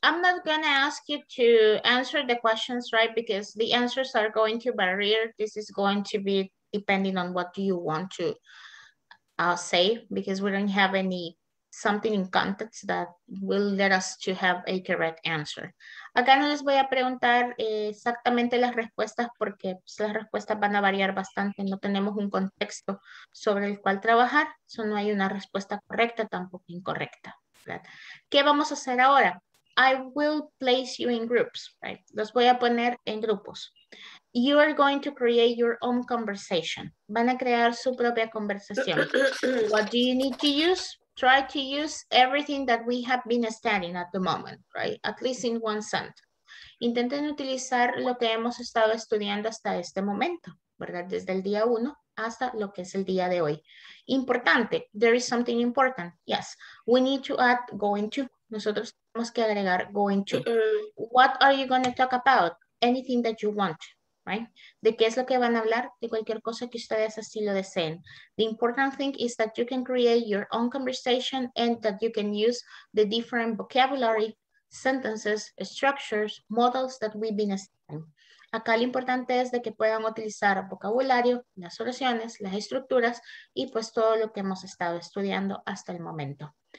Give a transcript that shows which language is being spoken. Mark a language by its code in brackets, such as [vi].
[en] I'm not going to ask you to answer the questions, right? Because the answers are going to vary. This is going to be depending on what you want to say, because we don't have any something in context that will let us to have a correct answer. [es] Acá no les voy a preguntar exactamente las respuestas porque pues, las respuestas van a variar bastante. No tenemos un contexto sobre el cual trabajar. So no hay una respuesta correcta, tampoco incorrecta. ¿Verdad? ¿Qué vamos a hacer ahora? [en] I will place you in groups. Right? [es] Los voy a poner en grupos. [en] You are going to create your own conversation. [es] Van a crear su propia conversación. [en] What do you need to use? Try to use everything that we have been studying at the moment, right? At least in one sentence. [es] Intenten utilizar lo que hemos estado estudiando hasta este momento, ¿verdad? Desde el día uno hasta lo que es el día de hoy. Importante, [en] there is something important. Yes, we need to add going to. [es] Nosotros tenemos que agregar [en] going to. What are you going to talk about? Anything that you want, right? [es] ¿De qué es lo que van a hablar? De cualquier cosa que ustedes así lo deseen. [en] The important thing is that you can create your own conversation and that you can use the different vocabulary, sentences, structures, models that we've been studying. [es] Acá lo importante es de que puedan utilizar vocabulario, las oraciones, las estructuras y pues todo lo que hemos estado estudiando hasta el momento.